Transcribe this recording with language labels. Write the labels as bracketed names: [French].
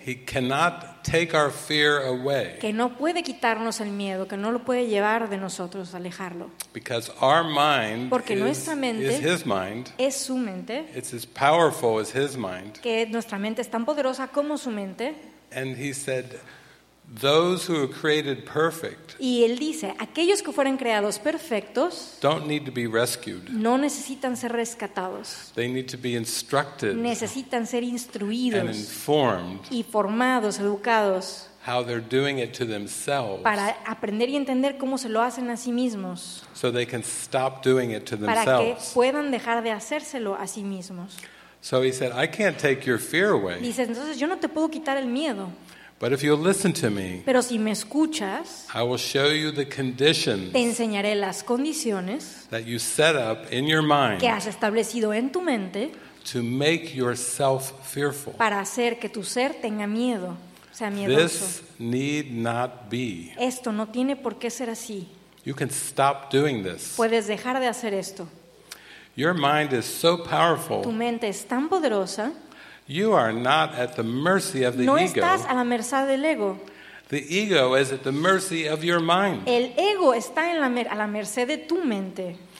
[English] He cannot take our fear away. [Spanish] Que no puede quitarnos el miedo, que no lo puede llevar de nosotros, alejarlo. [English] Because our mind [Spanish] porque nuestra mente [English] is his mind. [Spanish] Es su mente. [English] It's as powerful as his mind. [Spanish] Que nuestra mente es tan poderosa como su mente. [English] And he said, those who are created perfect. [Spanish] Y él dice, aquellos que fueron creados perfectos [English] don't need to be rescued. [Spanish] No necesitan ser rescatados. [English] They need to be instructed. [Spanish] Necesitan ser instruidos [English] and informed [Spanish] y formados, educados [English] how they're doing it to themselves. [Spanish] Para aprender y entender cómo se lo hacen a sí mismos. [English] So they can stop doing it to themselves. [Spanish] Para que puedan dejar de hacérselo a sí mismos. [English] So he said, I can't take your fear away. [Spanish] Dice, entonces yo no te puedo quitar el miedo. [English] But if you'll listen to me, [Spanish] pero si me escuchas, [English] I will show you the conditions [Spanish] te enseñaré las condiciones [English] that you set up in your mind [Spanish] que has establecido en tu mente [English] to make yourself fearful. [Spanish] Para hacer que tu ser tenga miedo, sea miedoso. [English] This need not be. [Spanish] Esto no tiene por qué ser así. [English] You can stop doing this. [Spanish] Puedes dejar de hacer esto. [English] Your mind is so powerful. [Spanish] Tu mente es tan poderosa. [English] You are not at the mercy of the [Spanish] no [English] ego. [Spanish] Estás a la merced del ego. [English] The ego is at the mercy of your mind. [Spanish] El ego está en a la merced de tu mente.